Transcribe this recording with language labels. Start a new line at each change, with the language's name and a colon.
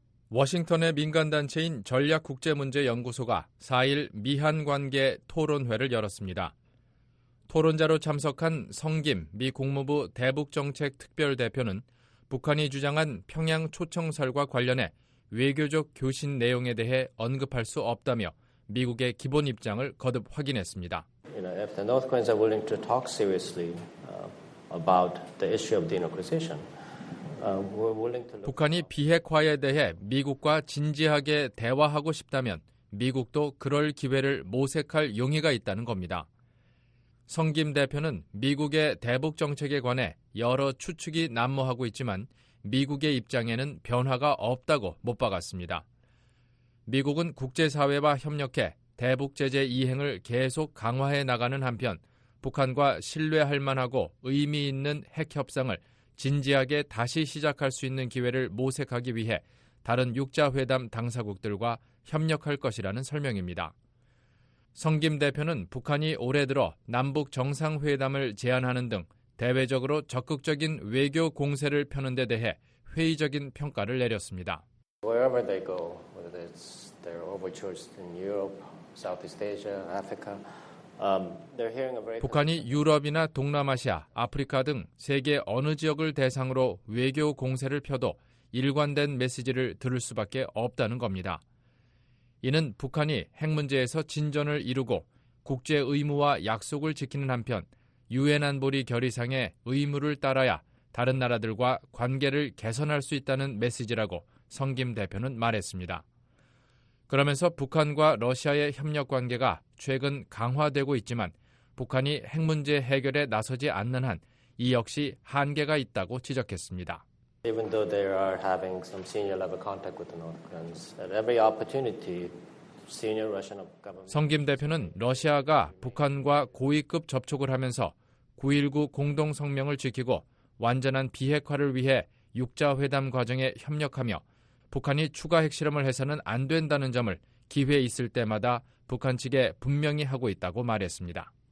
Korean: 워싱턴의 민간단체인 전략국제문제연구소가 4일 미한관계 토론회를 열었습니다. 토론자로 참석한 성김 미 국무부 대북정책특별대표는 북한이 주장한 평양 초청설과 관련해 외교적 교신 내용에 대해 언급할 수 없다며 미국의 기본 입장을 거듭 확인했습니다.
English: You know, if the North Koreans are willing to talk seriously about the issue of denuclearization, we're willing to.
Korean: 북한이 비핵화에 대해 미국과 진지하게 대화하고 싶다면 미국도 그럴 기회를 모색할 용의가 있다는 겁니다. 성김 대표는 미국의 대북 정책에 관해 여러 추측이 난무하고 있지만 미국의 입장에는 변화가 없다고 못 박았습니다. 미국은 국제사회와 협력해 대북 제재 이행을 계속 강화해 나가는 한편 북한과 신뢰할 만하고 의미 있는 핵 협상을 진지하게 다시 시작할 수 있는 기회를 모색하기 위해 다른 6자회담 당사국들과 협력할 것이라는 설명입니다. 성김 대표는 북한이 올해 들어 남북 정상회담을 제안하는 등 대외적으로 적극적인 외교 공세를 펴는 데 대해 회의적인 평가를 내렸습니다.
English: Wherever they go, whether it's their overtures in Europe, Southeast Asia, Africa, they're hearing a very.
Korean: 북한이 유럽이나 동남아시아, 아프리카 등 세계 어느 지역을 대상으로 외교 공세를 펴도 일관된 메시지를 들을 수밖에 없다는 겁니다. 이는 북한이 핵 문제에서 진전을 이루고 국제 의무와 약속을 지키는 한편 유엔 안보리 결의상의 의무를 따라야 다른 나라들과 관계를 개선할 수 있다는 메시지라고 성김 대표는 말했습니다. 그러면서 북한과 러시아의 협력 관계가 최근 강화되고 있지만 북한이 핵 문제 해결에 나서지 않는 한 이 역시 한계가 있다고 지적했습니다.
English: Even though they are having some senior level contact with the North Koreans, at every opportunity, senior Russian government.
Korean: 성김 대표는 러시아가 북한과 고위급 접촉을 하면서 9.19 공동 성명을 지키고 완전한 비핵화를 위해 6자회담 과정에 협력하며 북한이 추가 핵실험을 해서는 안 된다는 점을 기회 있을 때마다 북한 측에 분명히 하고 있다고 말했습니다.